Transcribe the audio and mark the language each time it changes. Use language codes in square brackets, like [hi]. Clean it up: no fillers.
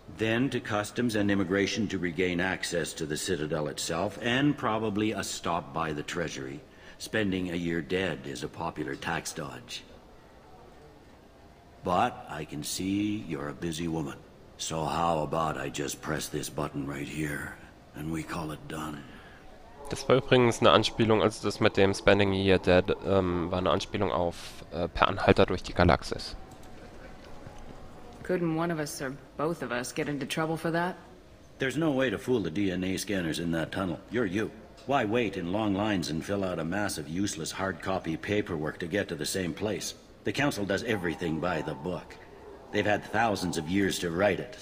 [en] Then to customs and immigration to regain access to the Citadel itself, and probably a stop by the Treasury. Spending a year dead is a popular tax dodge. But I can see you're a busy woman. So how about I just press this button right here, and we call it done. [de] Das war übrigens eine Anspielung, also das mit dem [en] Spending a year dead [de] war eine Anspielung auf Per Anhalter durch die Galaxis. [en] Couldn't one of us or both of us get into trouble for that? There's no way to fool the DNA scanners in that tunnel. You're you. Why wait in long lines and fill out a mass of useless hard copy paperwork to get to the same place? The Council does everything by the book. They've had thousands of years to write it.